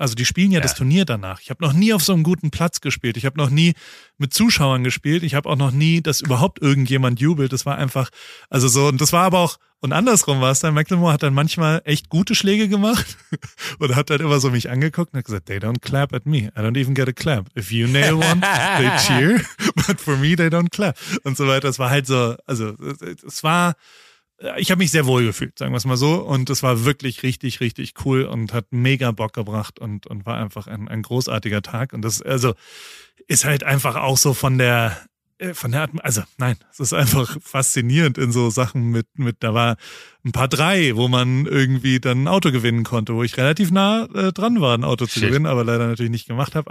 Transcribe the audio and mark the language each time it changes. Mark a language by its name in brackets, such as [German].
[German] Also die spielen ja das Turnier danach. Ich habe noch nie auf so einem guten Platz gespielt. Ich habe noch nie mit Zuschauern gespielt. Ich habe auch noch nie, dass überhaupt irgendjemand jubelt. Das war einfach, also so, und das war aber auch, und andersrum war es dann, McLemore hat dann manchmal echt gute Schläge gemacht und hat dann immer so mich angeguckt und hat gesagt, [English] they don't clap at me. I don't even get a clap. If you nail one, they cheer. But for me, they don't clap. [German] Und so weiter. Das war halt so, also es war, ich habe mich sehr wohl gefühlt, sagen wir es mal so. Und es war wirklich richtig, richtig cool und hat mega Bock gebracht und war einfach ein großartiger Tag. Und das also ist halt einfach auch so es ist einfach faszinierend in so Sachen mit, da war ein paar drei, wo man irgendwie dann ein Auto gewinnen konnte, wo ich relativ nah dran war, ein Auto zu gewinnen, aber leider natürlich nicht gemacht habe.